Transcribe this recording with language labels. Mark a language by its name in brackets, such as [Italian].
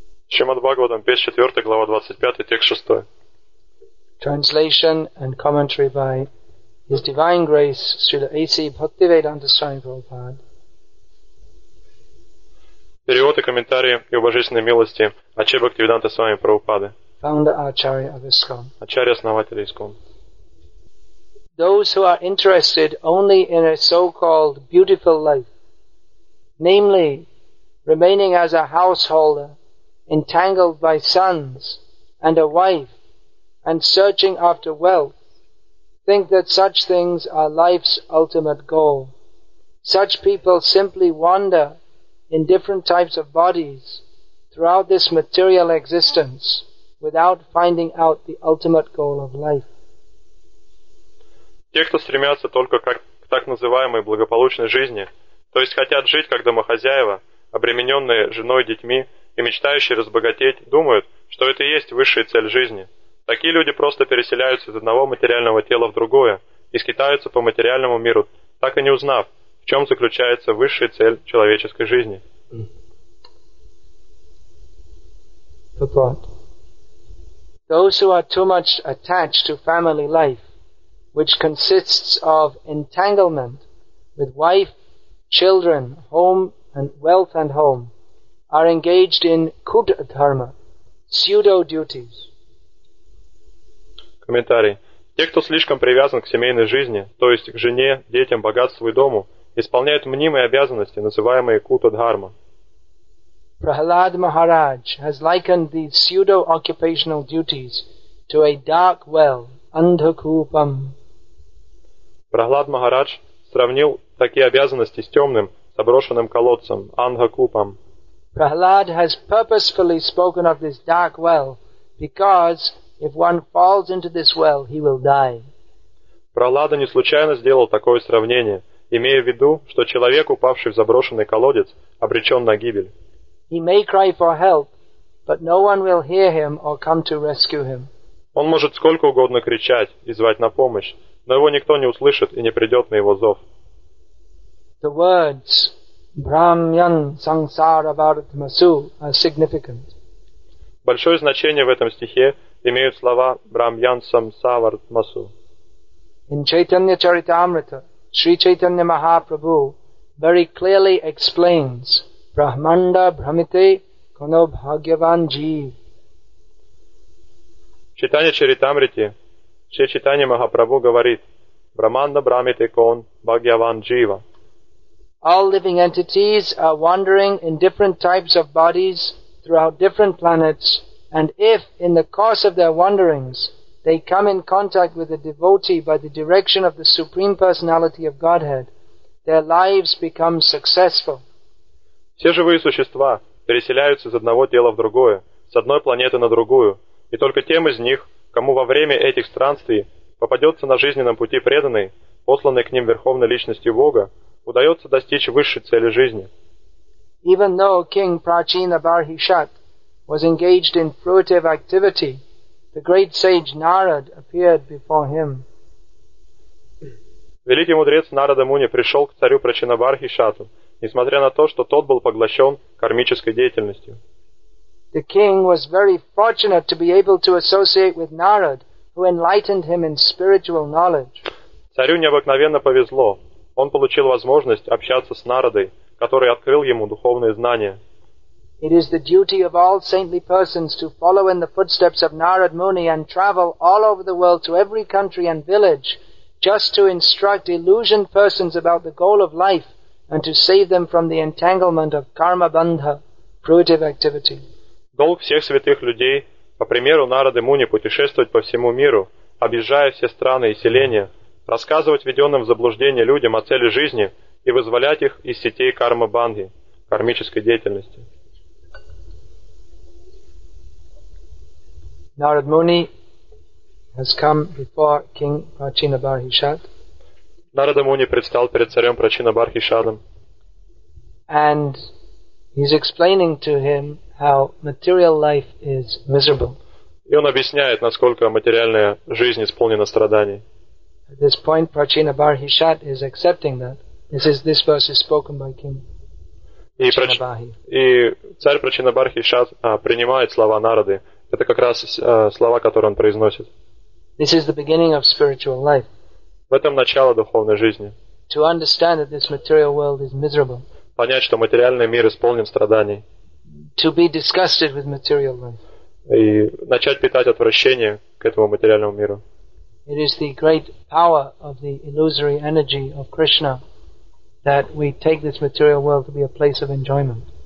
[Russian] Srimad Bhagavatam, 5.4, глава 25, текст 6. [English] Translation and commentary by His Divine Grace Srila A.C. Bhaktivedanta Swami Prabhupada. [Russian] Перевод и комментарии и божественной милости Ачи Бхактивиданта Свами Прабхупады. [English] Founder Acharya of ISKCON. [Russian] Acharya основателя ISKCON. [English] Those who are interested only in a so-called beautiful life, namely remaining as a householder, entangled by sons and a wife, and searching after wealth, think that such things are life's ultimate goal. Such people simply wander in different types of bodies throughout this material existence without finding out the ultimate goal of life. [Russian] Те, кто стремятся только как к так называемой благополучной жизни, то есть хотят жить как домохозяева, обремененные женой, детьми и мечтающие разбогатеть, думают, что это и есть высшая цель жизни. Такие люди просто переселяются из одного материального тела в другое и скитаются по материальному миру, так и не узнав, в чем заключается высшая цель человеческой жизни. [English] Those who are too much attached to family life, which consists of entanglement with wife, children, home, and wealth and home, are engaged in kuta dharma, pseudo duties. [Russian] Комментарий. Те, кто слишком привязан к семейной жизни, то есть к жене, детям, богатству и дому, исполняют мнимые обязанности, называемые кута дхарма. [English] Prahlad Maharaj has likened these pseudo occupational duties to a dark well, andhakupam. [Russian] Прохлад Махарадж сравнил такие обязанности с темным, заброшенным колодцем, Андхакупам. [English] Prahlad has purposefully spoken of this dark well, because if one falls into this well, he will die. [Russian] Прохлад не случайно сделал такое сравнение, имея в виду, что человек, упавший в заброшенный колодец, обречен на гибель. [English] He may cry for help, but no one will hear him or come to rescue him. [Russian] Он может сколько угодно кричать и звать на помощь, но его никто не услышит и не придет на его зов. [English] The words [Sanskrit] Brahmyan Sangsara Vartmasu [English] are significant. [Russian] Большое значение в этом стихе имеют слова [Sanskrit] Брамьян Самсавартмасу. [English] In Chaitanya Charitamrita, Sri Chaitanya Mahaprabhu very clearly explains [Bangla] Brahmanda Brahmite Kono Bhagyavan Jeev. [Russian] Chaitanya Charitamrita, Шри Чайтанья Махапрабху говорит: [Bangla] Брахманда брамите кон бхагьяван джива. [English] All living entities are wandering in different types of bodies throughout different planets, and if in the course of their wanderings they come in contact with a devotee by the direction of the Supreme Personality of Godhead, their lives become successful. [Russian] Все живые существа переселяются из одного тела в другое, с одной планеты на другую, и только тем из них, кому во время этих странствий попадется на жизненном пути преданный, посланный к ним верховной личностью Бога, удается достичь высшей цели жизни. [English] Even though King Prachina Barhishat was engaged in fruitive activity, the great sage Narad appeared before him. [Russian] Великий мудрец Нарада Муни пришел к царю Прачина Бархишату, несмотря на то, что тот был поглощен кармической деятельностью. [English] The king was very fortunate to be able to associate with Narad, who enlightened him in spiritual knowledge. [Russian] Царю необыкновенно повезло. Он получил возможность общаться с Нарадой, который открыл ему духовные знания. [English] It is the duty of all saintly persons to follow in the footsteps of Narad Muni and travel all over the world to every country and village just to instruct illusioned persons about the goal of life and to save them from the entanglement of karma bandha, fruitive activity. [Russian] Долг всех святых людей, по примеру Нарады Муни, путешествовать по всему миру, объезжая все страны и селения, рассказывать введенным в заблуждение людям о цели жизни и вызволять их из сетей карма-банги, кармической деятельности. [English] Narad Muni has come before King Prachina Barhishat. [Russian] Narada Muni предстал перед царем Прачина Бархишадом. [English] And he's explaining to him how material life is miserable. [Russian] И он объясняет, насколько материальная жизнь исполнена страданий. [English] At this point, Prachina Barhishat is accepting that. This verse is spoken by King Prachinabahi. [Russian] И царь Прачина Бархишат принимает слова Нарады. Это как раз слова, которые он произносит. [English] This is the beginning of spiritual life. [Russian] В этом начало духовной жизни. [English] To understand that this material world is miserable. [Russian] Понять, что материальный мир исполнен страданий. [English] To be disgusted with material life. [Russian] И начать питать отвращение к этому материальному миру. [English] It is the great power of the illusory energy of Krishna that we take this material world to be a place of enjoyment.